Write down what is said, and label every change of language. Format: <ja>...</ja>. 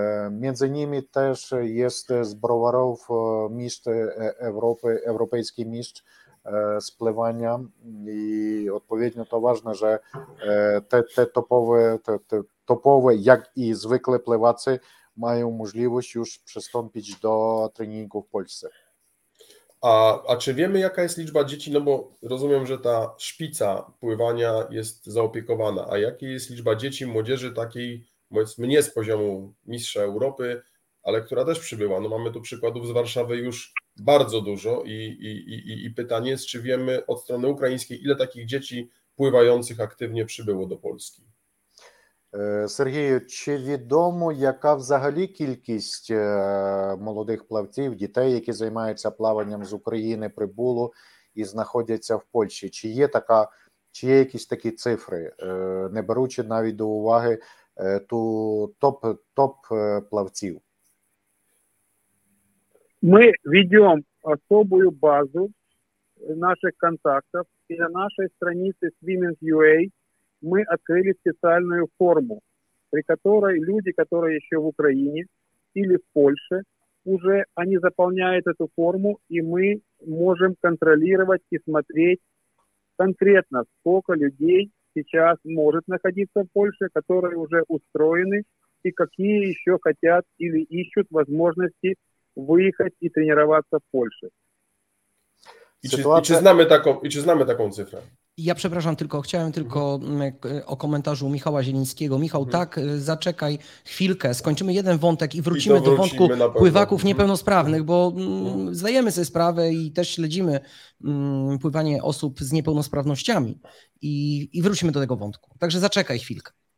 <uk>Між ними теж є з Броваров міст Європи, європейський міст з пливання, і відповідно то важливо, що те топове, як і звикли пливаці, мають можливість вже приступити до тренінгу в Польщі. А чи віємо, яка є лічба дітей? Ну, бо розумію, що та шпіця пливання є заопікована, а яка є лічба дітей, молодіжі такій,</uk> <pl>nie z poziomu mistrza Europy, ale która też przybyła. No mamy tu przykładów z Warszawy już bardzo dużo i pytanie jest, czy wiemy od strony ukraińskiej, ile takich dzieci pływających aktywnie przybyło do Polski?</pl> <uk>Сергію, чи відомо, яка взагалі кількість молодих плавців, дітей, які займаються плаванням з України, прибуло і знаходяться в Польщі? Чи є якісь такі цифри, не беручи навіть до уваги ту топ плавців?</uk> <ru>Мы ведем особую базу наших контактов, и на нашей странице Swimmings.ua мы открыли специальную форму, при которой люди, которые еще в Украине или в Польше, уже они заполняют эту форму, и мы можем контролировать и смотреть конкретно, сколько людей сейчас может находиться в Польше, которые уже устроены, и какие еще хотят или ищут возможности выехать и тренироваться в Польше.</ru> <uk>И чи знамо таку цифру?</uk> <pl>Ja przepraszam, tylko chciałem tylko o komentarzu Michała Zielińskiego. Michał, tak, zaczekaj chwilkę, skończymy jeden wątek i wrócimy do wątku pływaków niepełnosprawnych, bo zdajemy sobie sprawę i też śledzimy pływanie osób z niepełnosprawnościami i wrócimy do tego wątku. Także zaczekaj chwilkę.</pl>